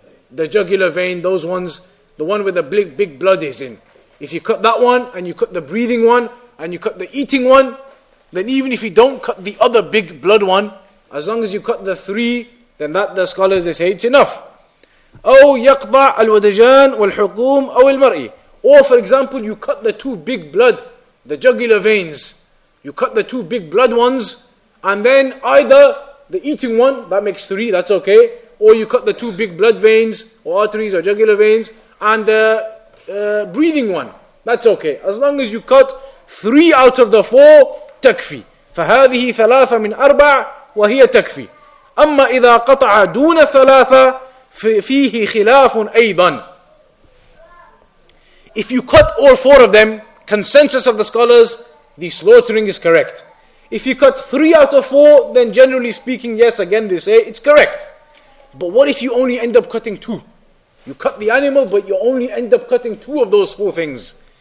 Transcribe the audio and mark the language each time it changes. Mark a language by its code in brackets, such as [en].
[en] The jugular vein, those ones, the one where the big blood is in. If you cut that one and you cut the breathing one and you cut the eating one, then even if you don't cut the other big blood one, as long as you cut the three, then that the scholars, they say it's enough. [ar] أو يقطع الودجان والحقوم أو المرئي. [en] Or for example, you cut the two big blood, the jugular veins. You cut the two big blood ones, and then either the eating one, that makes three, that's okay. Or you cut the two big blood veins, or arteries, or jugular veins, and the breathing one, that's okay. As long as you cut three out of the four, [ar] تكفي. فهذه ثلاثة من أربع وهي تكفي. أما إذا قطع دون ثلاثة فيه خلاف أيضا. [en] If you cut all four of them, consensus of the scholars, the slaughtering is correct. If you cut three out of four, then generally speaking, yes, again they say it's correct. But what if you only end up cutting two? You cut the animal, but you only end up cutting two of those four things.